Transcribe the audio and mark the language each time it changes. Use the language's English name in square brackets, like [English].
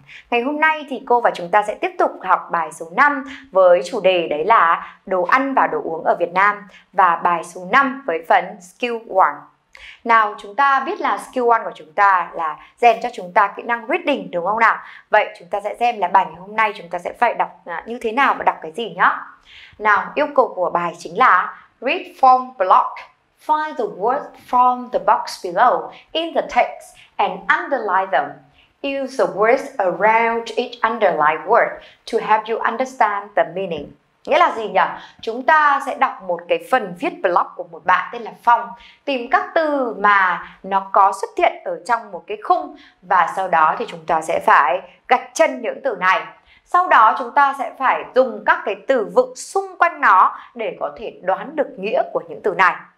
[Vietnamese] Ngày hôm nay thì cô và chúng ta sẽ tiếp tục học bài số 5 với chủ đề đấy là đồ ăn và đồ uống ở Việt Nam và bài số 5 với phần Skill 1. Nào, chúng ta biết là Skill 1 của chúng ta là rèn cho chúng ta kỹ năng reading đúng không nào? Vậy chúng ta sẽ xem là bài ngày hôm nay chúng ta sẽ phải đọc như thế nào và đọc cái gì nhá. Nào, yêu cầu của bài chính là [English] read from block. Find the words from the box below in the text and underline them. Use the words around each underlined word to help you understand the meaning. [Vietnamese] Nghĩa là gì nhỉ? Chúng ta sẽ đọc một cái phần viết blog của một bạn tên là Phong. Tìm các từ mà nó có xuất hiện ở trong một cái khung và sau đó thì chúng ta sẽ phải gạch chân những từ này. Sau đó chúng ta sẽ phải dùng các cái từ vựng xung quanh nó để có thể đoán được nghĩa của những từ này.